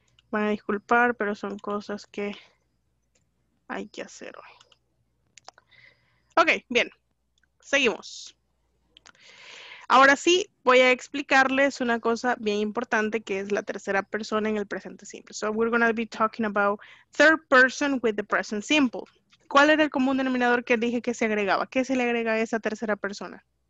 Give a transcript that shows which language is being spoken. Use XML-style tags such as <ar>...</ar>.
<es>Van a disculpar, pero son cosas que hay que hacer hoy. Ok, bien. Seguimos. Ahora sí, voy a explicarles una cosa bien importante que es la tercera persona en el presente simple.</es> <en>So we're going to be talking about third person with the present simple.</en> <es>¿Cuál era el común denominador que dije que se agregaba? ¿Qué se le agrega a esa tercera persona?</es>